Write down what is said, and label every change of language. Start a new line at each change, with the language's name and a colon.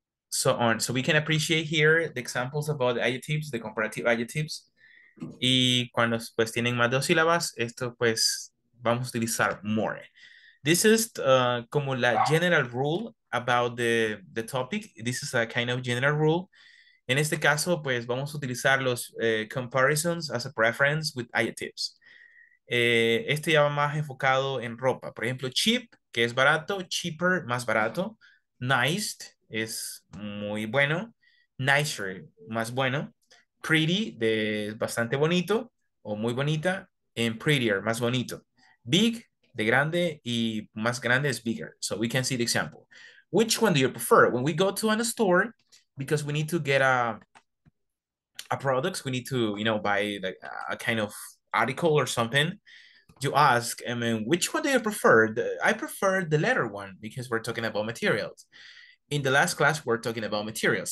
English: So on, so we can appreciate here the examples about the adjectives, the comparative adjectives.
Spanish: Y cuando pues tienen más de dos sílabas, esto pues vamos a utilizar more.
English: This is
Spanish: como la
English: general rule about the topic. This is a kind of general rule.
Spanish: En este caso, pues vamos a utilizar los
English: comparisons as a preference with adjectives.
Spanish: Este ya va más enfocado en ropa. Por ejemplo, cheap, que es barato, cheaper, más barato, nice, es muy bueno, nicer, más bueno, pretty, de bastante bonito o muy bonita, and prettier, más bonito, big, de grande, y más grande es bigger.
English: So we can see the example. Which one do you prefer? When we go to a store, because we need to get a product, we need to, you know, buy like a kind of article or something, you ask, I mean, which one do you prefer? I prefer the letter one, because we're talking about materials. In the last class, we're talking about materials.